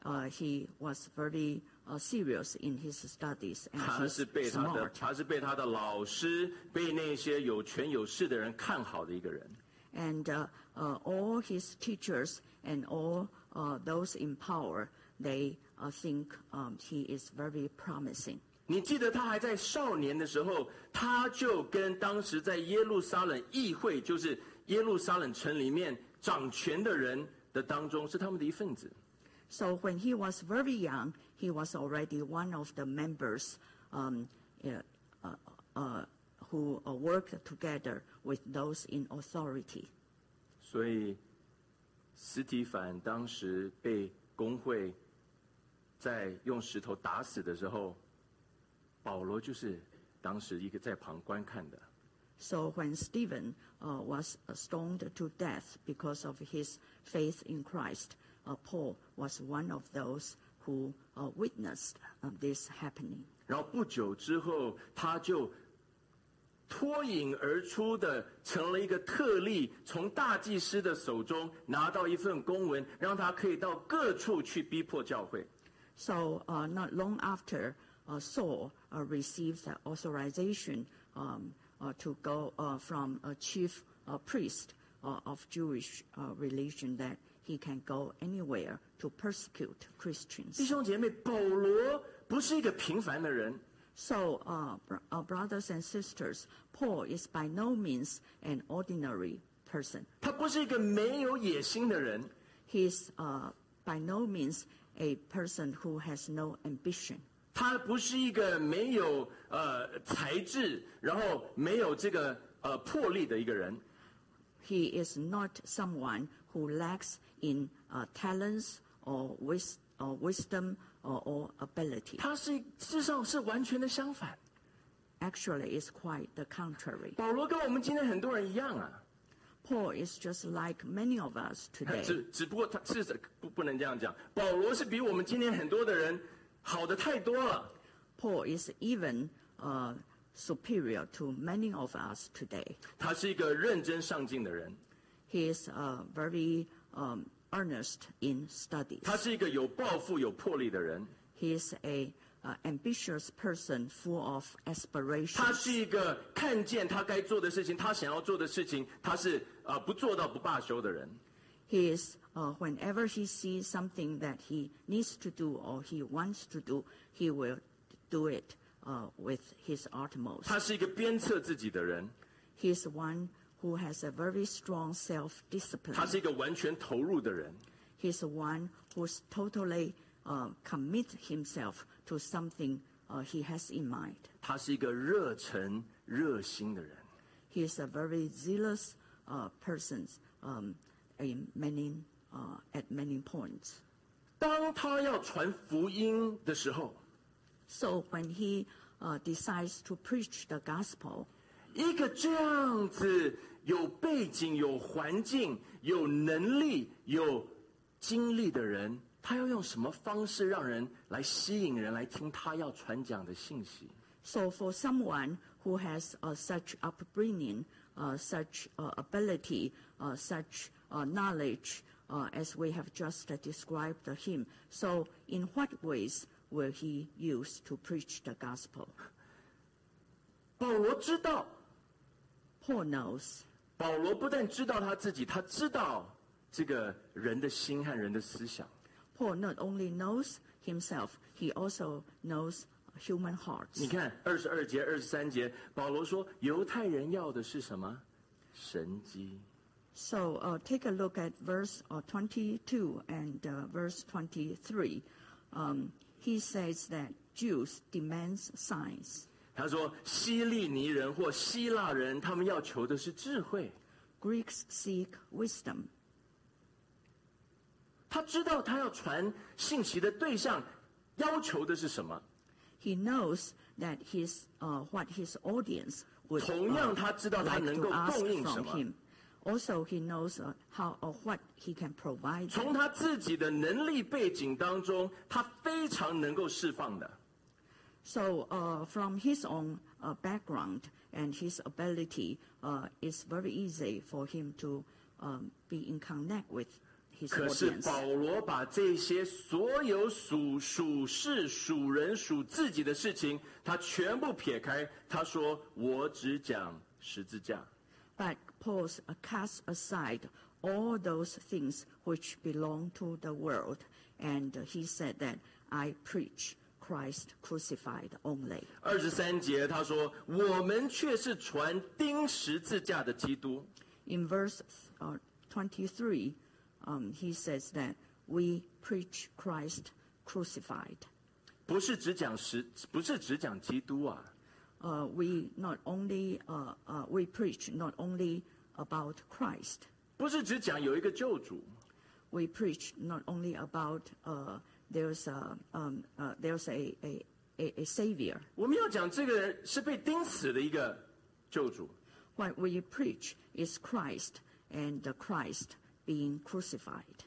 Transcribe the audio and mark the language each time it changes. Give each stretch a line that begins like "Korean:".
English: he was very serious in his studies and he's smart.
Chinese: 他是被他的老师、被那些有权有势的人看好的一个人。
English: And all his teachers and all those in power, they think he is very promising.
Chinese: 你记得他还在少年的时候，他就跟当时在耶路撒冷议会，就是耶路撒冷城里面掌权的人的当中，是他们的一份子。
English: So when he was very young, he was already one of the members who worked together with those in authority.
Chinese: 所以斯提凡当时被公会在用石头打死的时候，保罗就是当时一个在旁观看的。
English: So when Stephen was stoned to death because of his faith in Christ, Paul was one of those who witnessed this happening.
Chinese: 然后不久之后，他就脱颖而出的成了一个特例，从大祭司的手中拿到一份公文，让他可以到各处去逼迫教会。
English: So not long after Saul received the authorization to go from a chief priest of Jewish religion that he can go anywhere to persecute Christians.
Chinese: 弟兄姐妹，保罗不是一个平凡的人。
English: So, brothers and sisters, Paul is by no means an ordinary person.
Chinese: 他不是一个没有野心的人。
English: He is by no means a person who has no ambition.
Chinese: 他不是一个没有才智，然后没有这个魄力的一个人。
English: He is not someone who lacks in talents or wisdom. Or ability.
Chinese: 他是事实上是完全的相反。
English: Actually, it's quite the contrary.
Chinese: 保罗跟我们今天很多人一样啊。
English: Paul is just like many of us today.
Chinese: 只不过他是不能这样讲。保罗是比我们今天很多的人好的太多了。
English: Paul is even superior to many of us today.
Chinese: 他是一个认真上进的人。
English: He is a very earnest in studies.
Chinese: 他是一个有抱负有魄力的人。
English: He is a ambitious person full of aspirations.
Chinese: 他是一个看见他该做的事情，他想要做的事情，他是不做到不罢休的人。
English: He is whenever he sees something that he needs to do or he wants to do, he will do it with his utmost.
Chinese: 他是一个鞭策自己的人。
English: He is one who has a very strong self-discipline.
Chinese: 他是一个完全投入的人。
English: He's one who's totally commit himself to something he has in mind.
Chinese: 他是一个热忱热心的人。
English: He's a very zealous person at many points.
Chinese: 当他要传福音的时候，
English: So when he decides to preach the gospel,
Chinese: 一个这样子有背景有环境有能力有经历的人，他要用什么方式让人来吸引人来听他要传讲的信息？
English: So for someone who has such upbringing, such ability, such knowledge, as we have just described him, so in what ways will he use to preach the gospel?
Chinese: 保罗知道。
English: Paul knows.
Chinese: 保罗不但知道他自己，他知道这个人的心和人的思想。
English: Paul not only knows himself, he also knows human hearts.
Chinese: 你看二十二节、二十三节，保罗说犹太人要的是什么？神迹。
English: So take a look at verse 22 and verse 23. He says that Jews demands signs.
Chinese: 他说希利尼人或希腊人他们要求的是智慧。
English: Greeks seek wisdom.
Chinese: 他知道他要传信息的对象要求的是什么。
English: He knows that his, what his audience would,
Chinese: 同样他知道他能够供应什么。
English: Also, he knows how or what he can provide.
Chinese: 从他自己的能力背景当中他非常能够释放的。
English: So from his own background and his ability, it's very easy for him to be in connect with his audience.
Chinese: 可是保罗把这些所有属事属人属自己的事情他全部撇开，他说我只讲十字架。
English: But Paul cast aside all those things which belong to the world, and he said that I preachChrist crucified only.
Chinese: 二十三节他说我们却是传钉十字架的基督。
English: In verse 23, he says that we preach Christ crucified.
Chinese: 不是只讲不是只讲基督啊。
English: We not only, we preach not only about Christ.
Chinese: 不是只讲有一个救主。
English: We preach not only about there's a savior.
Chinese: 我们要讲这个人是被钉死的一个救主。
English: What we preach is Christ and the Christ being crucified.